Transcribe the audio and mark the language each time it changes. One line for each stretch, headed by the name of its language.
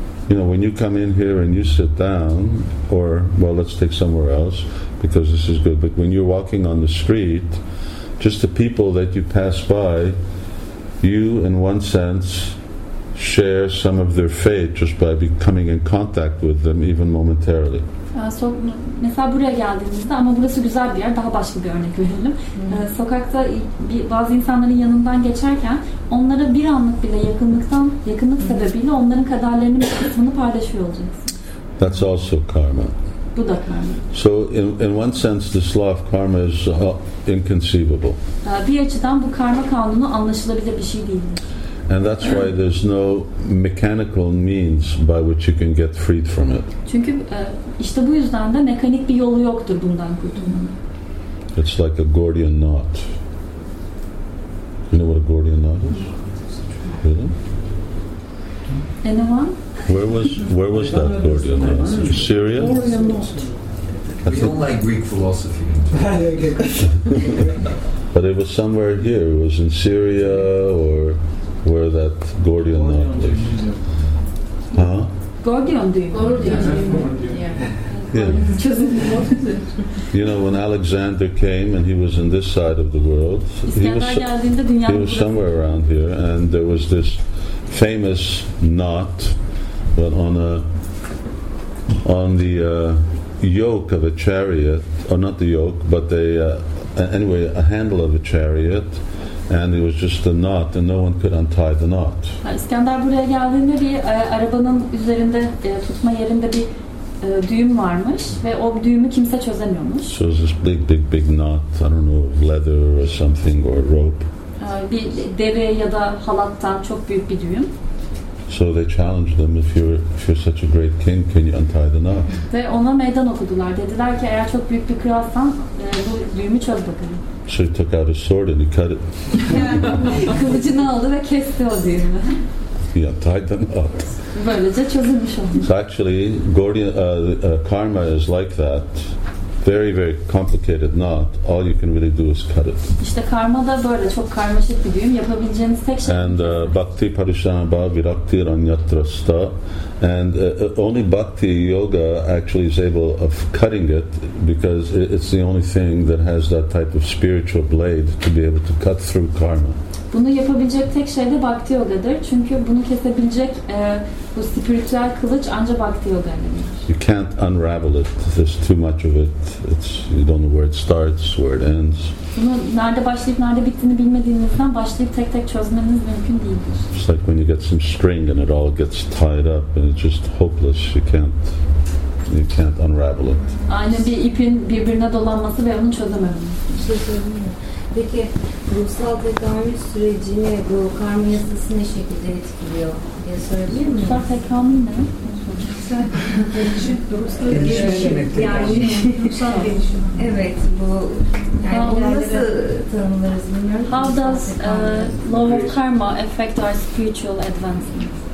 English: You know, when you come in here and you sit down, or well, let's take somewhere else, because this is good, but when you're walking on the street, just the people that you pass by, you in one sense share some of their fate just by becoming in contact with them even momentarily.
Turkish: So, mesela buraya geldiğimizde, ama burası güzel bir yer, daha başka bir örnek verelim. Sokakta bazı insanların yanından geçerken onlara bir anlık bile yakınlık sebebiyle onların kaderlerinin bir kısmını paylaşıyor olacağız.
English: That's also karma.
Turkish: Bu da karma.
English: So in one sense this law of karma is inconceivable.
Turkish: Bir açıdan bu karma kanunu anlaşılabilir bir şey değildir.
English: And that's why there's no mechanical means by which you can get freed from it.
Turkish: Çünkü işte bu yüzden de mekanik bir yolu yoktur bundan kurtulmanın.
English: It's like a Gordian knot. You know what a Gordian knot is? Really? Anyone? Where was that Gordian knot? Syria? We don't like Greek philosophy. But it was somewhere here. It was in Syria or where that Gordian knot was. Huh? Gordian. Yeah. You know, when Alexander came and he was in this side of the world, he was somewhere around here, and there was this famous knot. But on the yoke of a chariot, or not the yoke, but a handle of a chariot, and it was just a knot, and no one could untie the knot.
Turkish: İskender buraya geldiğinde bir arabanın üzerinde tutma yerinde bir düğüm varmış ve o düğümü kimse çözemiyormuş.
English: So it was this big knot, I don't know, of leather or something or rope.
Turkish: Bir deve ya da halattan çok büyük bir düğüm.
English: So they challenged them, if you're such a great king, can you untie the knot?
Turkish: Ve ona meydan okudular. Dediler ki eğer çok büyük bir kralsan bu düğümü çöz bakalım.
English: So he took out his sword and he cut it.
Turkish: Kılıcını aldı ve kesti o düğümü.
English: He untied the knot.
Turkish: Böylece çözülmüş oldu.
English: So actually, karma is like that. Very, very complicated knot. All you can really do is cut it.
Turkish: İşte karma da böyle çok karmaşık bir düğüm. Yapabileceğiniz tek şey. And bhakti parishanabha virakti ranyatrasta.
English: And only bhakti yoga actually is able of cutting it, because it's the only thing that has that type of spiritual blade to be able to cut through karma.
Turkish: Bunu yapabilecek tek şey de bhakti yogadır. Çünkü bunu kesebilecek bu spiritüel kılıç ancak bhakti yoga ile.
English: You can't unravel it. There's too much of it. You don't know where it starts, where it ends.
Turkish: Bunu nerede başlayıp nerede bittiğini bilmediğinizden başlayıp tek tek çözmeniz mümkün değildir.
English: It's like when you get some string and it all gets tied up and it's just hopeless. You can't unravel it.
Turkish: Aynı bir ipin birbirine dolanması ve onu çözememiz. Peki ruhsal tekamül sürecini bu karma yasası ne şekilde etkiliyor diye sorabilir miyim? Ruhsal tekamül ne?
English: How does law of karma affect our spiritual advancement?